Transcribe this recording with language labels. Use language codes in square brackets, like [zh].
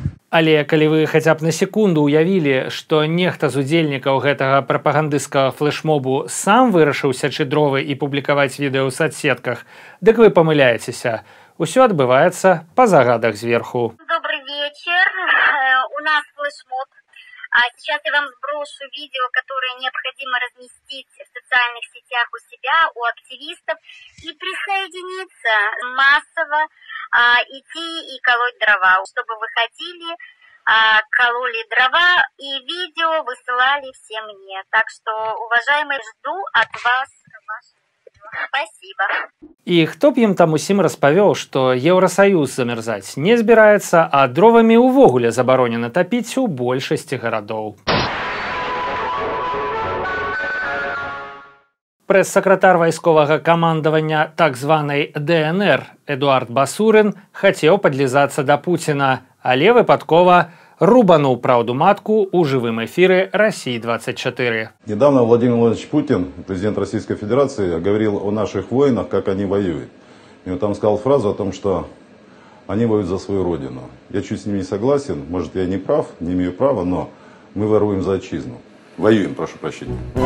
[be] Але калі вы хаця б на секунду ўявілі, што нехта з удзельнікаў гэтага прапагандысцкага флэшмобу сам вырашыў сячы дровы і публікаваць відэа ў соцсетках, дык вы памыляецеся. Усё адбываецца па загадах зверху. [ru] Добрый вечер. У нас флэшмоб. А сейчас я вам сброшу видео, которое необходимо разместить в социальных сетях у себя, у активистов, и присоединиться массово, идти и колоть дрова, чтобы вы ходили, кололи дрова и видео высылали все мне. Так что, уважаемые, жду от вас ваше видео. Спасибо. И кто б им там [be] усім распавёў, [ru] что Евросоюз замерзать не збирается, а дровами [be] увогуле забаронена [ru] топить [be] у большасці [ru] городов. [be] Прэс-сакратар вайсковага камандавання так званай ДНР Эдуард Басурын хацеў падлізацца да Пуціна, але выпадкова рубануў праўду матку ў жывым эфіры «Россия-24». [ru] Недавно Владимир Владимирович Путин, президент Российской Федерации, говорил о наших воинах, как они воюют. И он там сказал фразу о том, что они воюют за свою родину. Я чуть с ним не согласен, может, я не прав, не имею права, но мы воруем за отчизну. Воюем, прошу прощения.